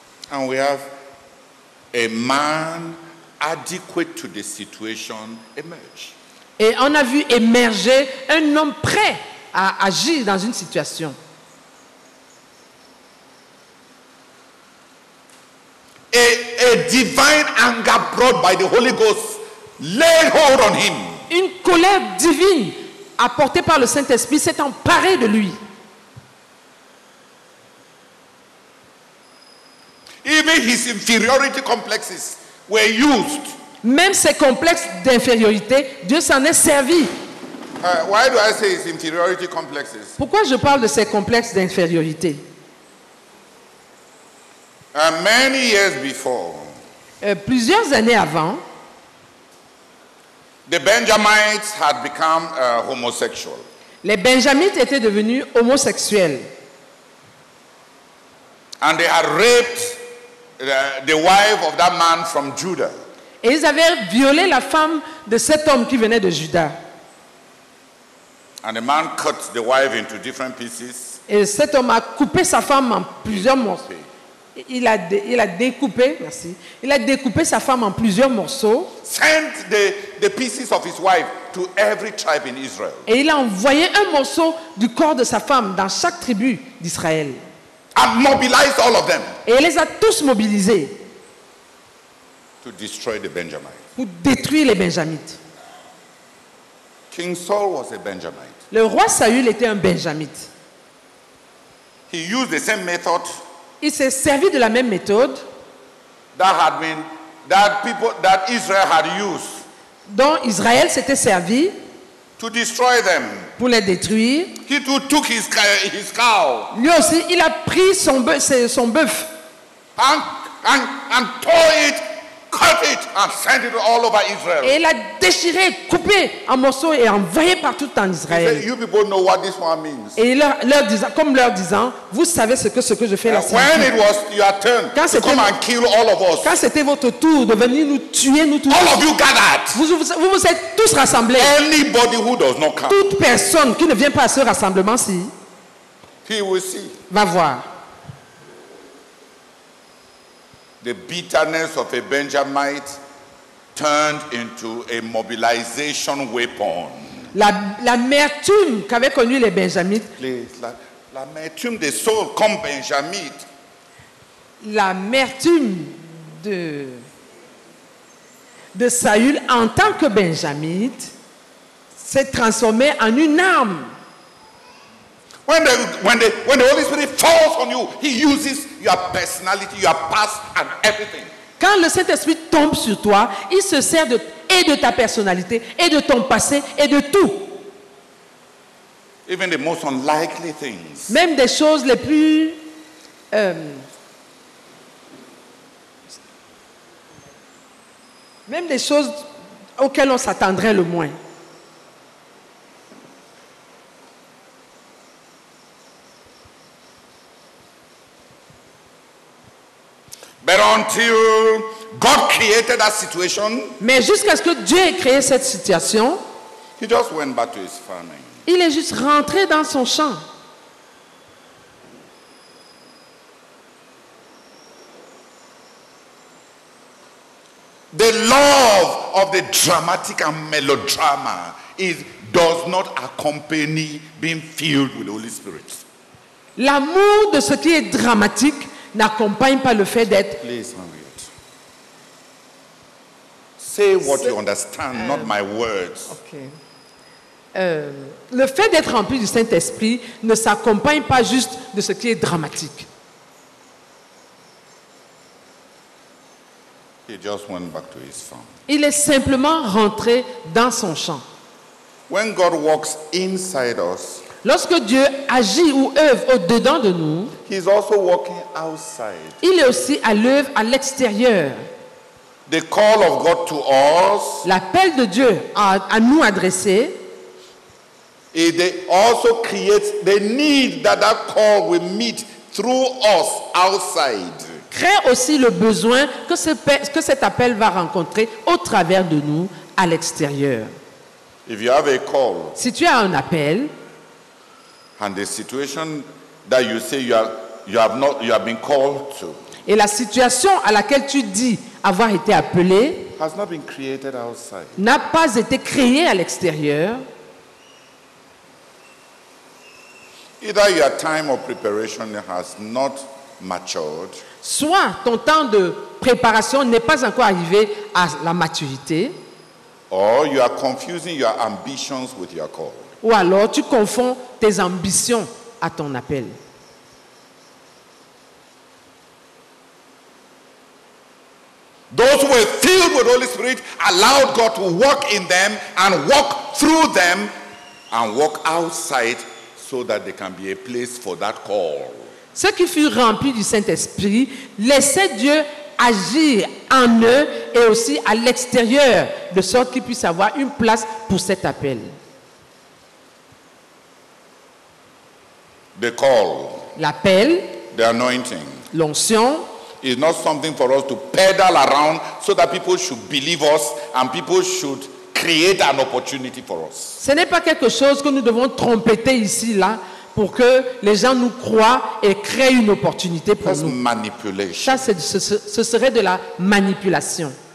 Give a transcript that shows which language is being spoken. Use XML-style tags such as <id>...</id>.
<en>And we have a man adequate to the situation emerge.</en> <fr>Et on a vu émerger un homme prêt à agir dans une situation.</fr> <en>A divine anger brought by the Holy Ghost laid hold on him.</en> <fr>Une colère divine apportée par le Saint-Esprit s'est emparée de lui.</fr> <en>Even his inferiority complexes were used.</en> <fr>Même ses complexes d'infériorité, Dieu s'en est servi.</fr> <en>Why do I say his inferiority complexes?</en> <fr>Pourquoi je parle de ces complexes d'infériorité?</fr> <en>Many years before.</en> <fr>Plusieurs années avant.</fr> <en>The Benjamites had become homosexual.</en> <fr>Les Benjamites étaient devenus homosexuels.</fr> <en>And they had raped the wife of that man from Judah.</en> <fr>Et ils avaient violé la femme de cet homme qui venait de Juda.</fr> <en>And the man cut the wife into different pieces.</en> <fr>Et cet homme a coupé sa femme en plusieurs morceaux. Il a découpé sa femme en plusieurs morceaux.</fr> <en>Sent the pieces of his wife to every tribe in Israel.</en> <fr>Et il a envoyé un morceau du corps de sa femme dans chaque tribu d'Israël.</fr> <en>And mobilized all of them.</en> <fr>Et il les a tous mobilisés.</fr> <en>To destroy the Benjamites.</en> <fr>Pour détruire les Benjamites.</fr> <en>King Saul was a Benjamite.</en> <fr>Le roi Saül était un Benjamite.</fr> <en>He used the same method.</en> <fr>Il s'est servi de la même méthode.</fr> <en>That had been that people that Israel had used.</en> <fr>Dont Israël s'était servi.</fr> <en>To destroy them.</en> <fr>Pour les détruire.</fr> <en>He too took his cow.</en> <fr>Lui aussi, il a pris son bœuf.</fr> <en>And tore it, cut it, and sent it all over Israel.</en> <fr>Et il a déchiré, coupé en morceaux et envoyé partout en Israël.</fr> <en>He said, "You people know what this one means."</en> <fr>Et il leur disant, comme leur disant, vous savez ce que je fais là.</fr> <en>When it was your turn,</en> <fr>quand</fr> <en>to come and kill all of us.</en> <fr>Quand c'était votre tour de venir nous tuer nous tous.</fr> <en>All of you gathered.</en> <fr>Vous êtes tous rassemblés.</fr> <en>Anybody who does not come.</en> <fr>Toute personne qui ne vient pas à ce rassemblement-ci.</fr> <en>He will see.</en> <fr>Va voir.</fr> <en>The bitterness of a Benjamite turned into a mobilization weapon.</en> <fr>L'amertume qu'avaient connu les Benjamites. L'amertume de Saul comme Benjamite. L'amertume de Saül en tant que Benjamite s'est transformée en une arme.</fr> <en>When the Holy Spirit falls on you, he uses your personality, your past and everything.</en> <fr>Quand le Saint-Esprit tombe sur toi, il se sert de ta personnalité et de ton passé et de tout.</fr> <en>Even the most unlikely things.</en> <fr>Même des choses les plus même des choses auxquelles on s'attendrait le moins.</fr> <en>But until God created that situation,</en> <fr>mais jusqu'à ce que Dieu ait créé cette situation,</fr> <en>he just went back to his farming.</en> <fr>Il est juste rentré dans son champ.</fr> <en>The love of the dramatic and melodrama does not accompany being filled with the Holy Spirit.</en> <fr>L'amour de ce qui est dramatique n'accompagne pas le fait d'être.</fr> <en>Please, Henriette. Say what you understand, not my words. Okay.</en> <fr>Le fait d'être rempli du Saint-Esprit ne s'accompagne pas juste de ce qui est dramatique.</fr> <en>He just went back to his farm.</en> <fr>Il est simplement rentré dans son champ.</fr> <en>When God walks inside us,</en> <fr>lorsque Dieu agit ou œuvre au-dedans de nous,</fr> <en>he's also walking outside.</en> <fr>Il est aussi à l'œuvre à l'extérieur.</fr> <en>The call of God to us,</en> <fr>l'appel de Dieu à nous adresser,</fr> <en>it also creates the need that call will meet through us outside.</en> <fr>Crée aussi le besoin que cet appel va rencontrer au travers de nous à l'extérieur.</fr> <en>If you have a call,</en> <fr>si tu as un appel,</fr> <en>and the situation that you say you have been called to,</en> <fr>et la situation à laquelle tu dis avoir été appelé,</fr> <en>has not been created outside,</en> <fr>n'a pas été créée à l'extérieur.</fr> <en>Either your time of preparation has not matured,</en> <fr>soit ton temps de préparation n'est pas encore arrivé à la maturité,</fr> <en>or you are confusing your ambitions with your call.</en> <fr>Ou alors tu confonds tes ambitions à ton appel.</fr> <en>Those who were filled with the Holy Spirit allowed God to walk in them and walk through them and walk outside so that there can be a place for that call.</en> <fr>Ceux qui furent remplis du Saint-Esprit laissaient Dieu agir en eux et aussi à l'extérieur de sorte qu'ils puissent avoir une place pour cet appel.</fr> <en>The call,</en> <fr>l'appel,</fr> <en>the anointing,</en> <fr>l'onction,</fr> <en>is not something for us to pedal around so that people should believe us and people should create an opportunity for us.</en> <fr>Ce n'est pas quelque chose que nous devons trompeter ici là pour que les gens nous croient et créent une opportunité pour</fr> <en>That's</en> <fr>nous.</fr> <en>Manipulation.</en> <fr>Ça, ce serait de la manipulation.</fr>